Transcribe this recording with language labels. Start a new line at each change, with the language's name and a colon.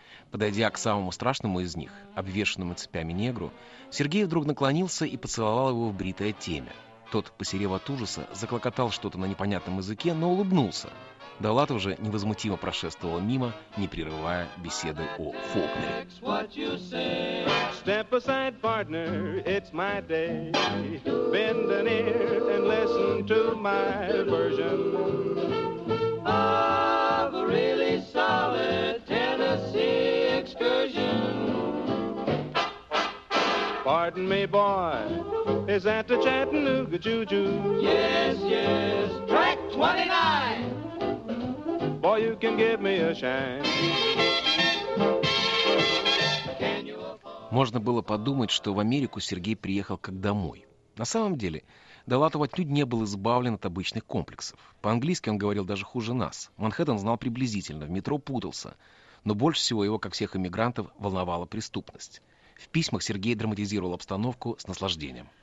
Russian: Подойдя к самому страшному из них, обвешанному цепями негру, Сергей вдруг наклонился и поцеловал его в бритое темя. Тот, посерев от ужаса, заклокотал что-то на непонятном языке, но улыбнулся. Довлатов уже невозмутимо прошествовал мимо, не прерывая беседы о Фолкнере.
English: It's what you say. Step aside, partner, it's my day. Bend an ear and listen to my version of a really solid Tennessee excursion. Pardon me, boy, is that the Chattanooga juju? Yes, yes, track 29. Boy, you can give me a shine.
Russian: Можно было подумать, что в Америку Сергей приехал как домой. На самом деле, Довлатов отнюдь не был избавлен от обычных комплексов. По-английски он говорил даже хуже нас. Манхэттен знал приблизительно, в метро путался. Но больше всего его, как всех иммигрантов, волновала преступность. В письмах Сергей драматизировал обстановку с наслаждением.